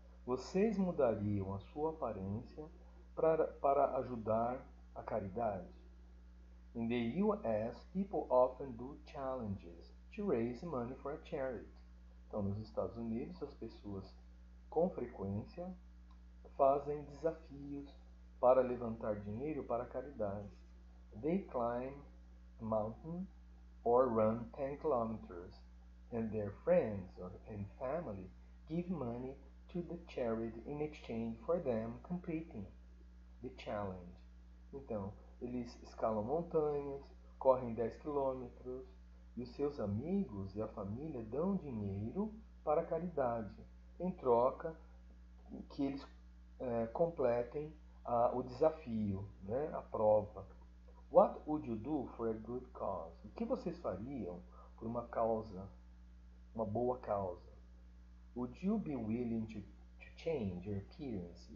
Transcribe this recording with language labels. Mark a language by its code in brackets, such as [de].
[pt] Vocês mudariam a sua aparência para ajudar a caridade? [en] In the US, people often do challenges to raise money for a charity. [pt] Então, nos Estados Unidos, as pessoas com frequência fazem desafios para levantar dinheiro para a caridade. [en] They climb mountain or run 10 kilometers, and their friends or and family give money to the charity in exchange for them completing the challenge. [pt] Então, eles escalam montanhas, correm 10 quilômetros, e os seus amigos e a família dão dinheiro para a caridade, em troca que eles completem o desafio, né, a prova. [en] What would you do for a good cause? [pt] O que vocês fariam por uma causa, uma boa causa? [en] Would you be willing to change your appearance?